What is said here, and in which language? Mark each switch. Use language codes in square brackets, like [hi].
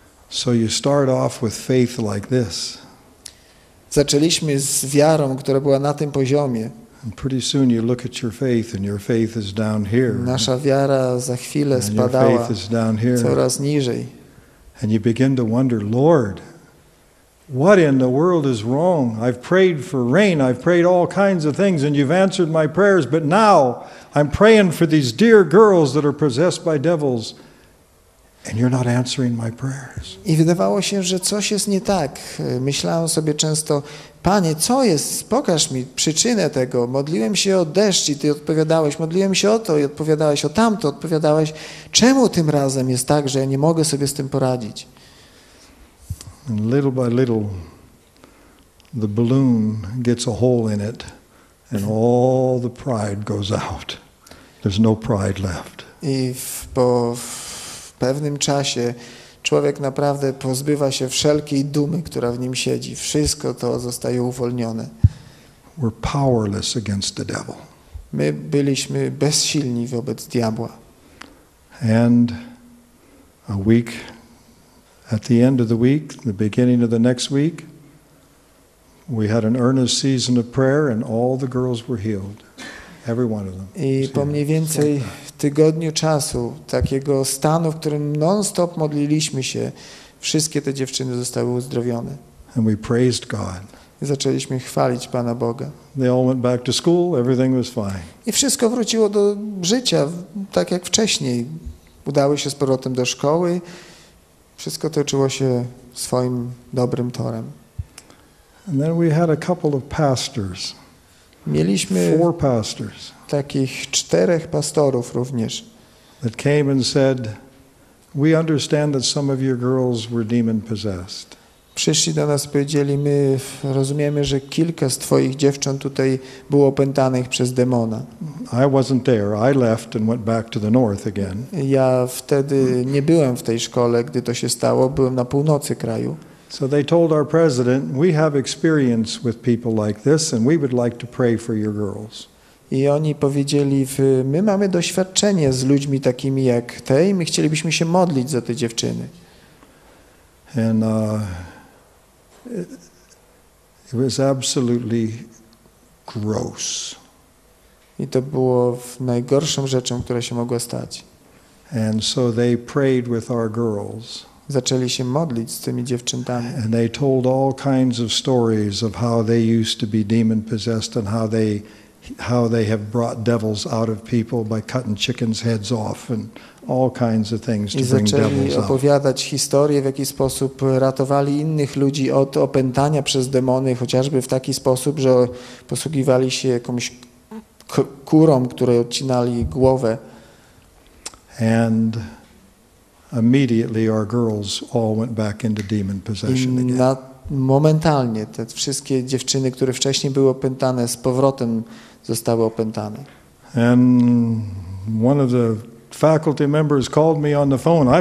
[en] So you start off with faith like this. [pl] Zaczęliśmy z wiarą, która była na tym poziomie. [en] And pretty soon you look at your faith and your faith is down here. [pl] Nasza wiara za chwilę spadała. [en] Your faith is down here. [pl] Coraz niżej. [en] And you begin to wonder, Lord, what in the world is wrong? I've prayed for rain, I've prayed all kinds of things, and you've answered my prayers, but now I'm praying for these dear girls that are possessed by devils, and you're not answering my prayers. [pl] I wydawało się, że coś jest nie tak. Myślałem sobie często, Panie, co jest? Pokaż mi przyczynę tego. Modliłem się o deszcz i Ty odpowiadałeś. Modliłem się o to i odpowiadałeś o tamto. Odpowiadałeś, czemu tym razem jest tak, że ja nie mogę sobie z tym poradzić? [en] And little by little, the balloon gets a hole in it, and all the pride goes out. There's no pride left. [pl] I w pewnym czasie człowiek naprawdę pozbywa się wszelkiej dumy, która w nim siedzi. Wszystko to zostaje uwolnione. [en] We're powerless against the devil. [pl] My byliśmy bezsilni wobec diabła. [en] And a week. At the end of the week, the beginning of the next week, we had an earnest season of prayer and all the girls were healed. Every one of them. [pl] I po mniej więcej tygodniu czasu, takiego stanu, w którym non-stop modliliśmy się, wszystkie te dziewczyny zostały uzdrowione. [en] And we praised God. [pl] I zaczęliśmy chwalić Pana Boga. [en] They all went back to school, everything was fine. [pl] I wszystko wróciło do życia, tak jak wcześniej. Udały się z powrotem do szkoły, wszystko toczyło się swoim dobrym torem. [en] And then we had a couple of pastors. [pl] Mieliśmy [en] four pastors. [pl] Takich czterech pastorów również. [en] That came and said, "We understand that some of your girls were demon possessed." [pl] Przyszli do nas i powiedzieli, my rozumiemy, że kilka z twoich dziewcząt tutaj było opętanych przez demona. [en] I wasn't there. I left and went back to the north again. [pl] Ja wtedy nie byłem w tej szkole, gdy to się stało. Byłem na północy kraju. [en] So they told our president, we have experience with people like this and we would like to pray for your girls. [pl] I oni powiedzieli, my mamy doświadczenie z ludźmi takimi jak te i my chcielibyśmy się modlić za te dziewczyny. [en] And it was absolutely gross. [pl] I to było najgorszą rzeczą, która się mogła stać. [en] And so they prayed with our girls. [pl] Zaczęli się modlić z tymi dziewczętami. [en] And they told all kinds of stories of how they used to be demon possessed and how they have brought devils out of people by cutting chickens' heads off and all kinds of things to bring devils out. [pl] I zaczęli opowiadać historie, w jaki sposób ratowali innych ludzi od opętania przez demony, chociażby w taki sposób, że posługiwali się jakąś kurą, której odcinali głowę. [en] And immediately our girls all went back into demon possession again. [pl] Momentalnie te wszystkie dziewczyny, które wcześniej były opętane, z powrotem zostały opętane. [en] And one of the faculty members called me on the phone.